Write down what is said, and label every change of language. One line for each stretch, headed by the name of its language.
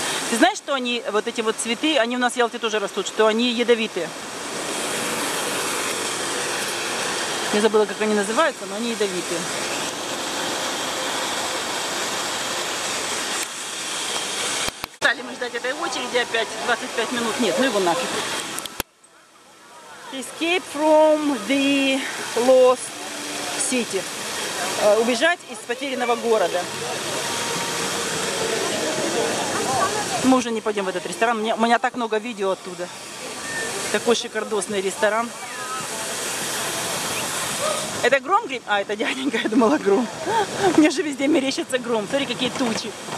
Russian: Ты знаешь, что они, вот эти вот цветы, они у нас в Ялте тоже растут, что они ядовитые. Я забыла, как они называются, но они ядовитые. Стали мы ждать этой очереди опять 25 минут. Нет, ну его нафиг.
English: Escape from the lost city.
Russian: Убежать из потерянного города. Мы уже не пойдем в этот ресторан. У меня так много видео оттуда. Такой шикардосный ресторан. Это гром гремит? А, это дяденька, я думала гром. Мне же везде мерещится гром. Смотри, какие тучи.